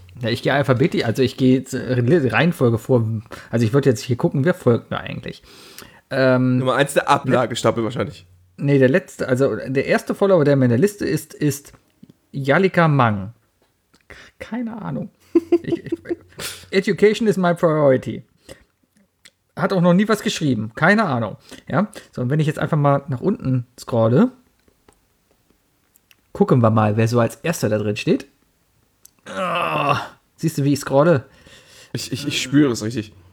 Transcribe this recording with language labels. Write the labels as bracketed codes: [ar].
[de] Ja, ich gehe alphabetisch, also ich gehe Reihenfolge vor. Also ich würde jetzt hier gucken, wer folgt mir eigentlich. Nummer 1, der Ablagestapel wahrscheinlich. Nee, der letzte, also der erste Follower, der mir in der Liste ist Jalika Mang. Keine Ahnung. [en] Education is my priority. [de] Hat auch noch nie was geschrieben. Keine Ahnung. Ja? So, und wenn ich jetzt einfach mal nach unten scrolle, gucken wir mal, wer so als erster da drin steht. Oh, siehst du, wie ich scrolle? Ich spüre es richtig.